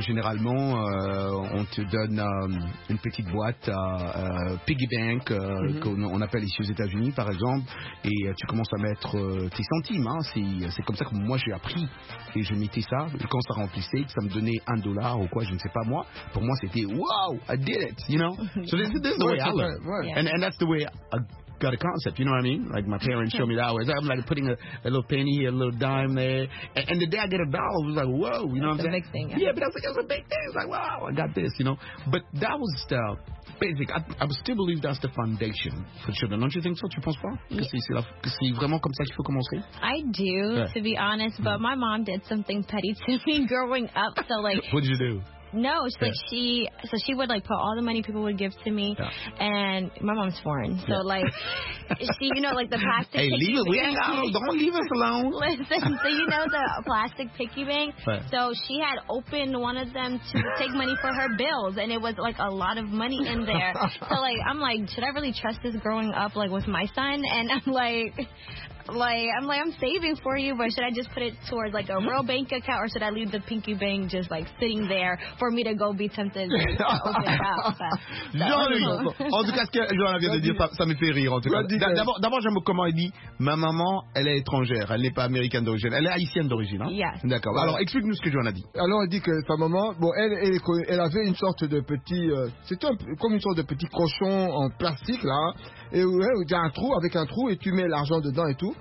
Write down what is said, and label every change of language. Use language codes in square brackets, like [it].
[fr] Généralement, on te donne une petite boîte à piggy bank, qu'on appelle ici aux États-Unis, par exemple, et tu commences à mettre tes centimes. Hein. C'est comme ça que moi, j'ai appris. Et je mettais ça, quand ça remplissait, ça me donnait $1 ou quoi, je ne sais pas moi. Pour moi, c'était [en] « Wow, I did it !» You know. So this is the way I learned. And that's the way I got a concept, you know what I mean? Like my parents show me that way. I'm like putting a little penny here, a little dime there. And the day I get a dollar, I was like, whoa, you know what I'm saying? A big thing. Yeah, but I was like, it's a big thing. It's like, wow, I got this, you know? But that was the basic. I still believe that's the foundation for children. Don't you think so? [fr] Tu penses pas? Que c'est vraiment comme ça qu'il faut commencer? [en] I do, to be honest, but my mom did something petty to me growing up. So like, what did you do? No, she, like, she would, like, put all the money people would give to me, and my mom's foreign, so, like, she, you know, like, the plastic piggy bank. Hey, leave it, we ain't got no, don't leave us alone. Listen, so, you know, the plastic piggy bank, so she had opened one of them to take money for her bills, and it was, like, a lot of money in there, so, like, I'm, like, should I really trust this growing up, like, with my son, and I'm, like... Like, I'm saving for you, but should I just put it towards, like, a real bank account, or should I leave the pinky bank just, like, sitting there for me to go be tempted? [fr] Jean-Louis, en tout cas, ce que Jean-Louis vient de dire, ça me fait rire, en tout cas. D'abord, j'aime comment il dit, ma maman, elle est étrangère, elle n'est pas américaine d'origine, elle est haïtienne d'origine, hein? [en] Yes. [fr] D'accord. Alors, explique-nous ce que Jean-Louis a dit. Alors, elle dit que sa maman, bon, elle avait une sorte de petit, comme une sorte de petit cochon en plastique, là, et où il y a un trou, avec un trou, et tu mets l'argent dedans et tout.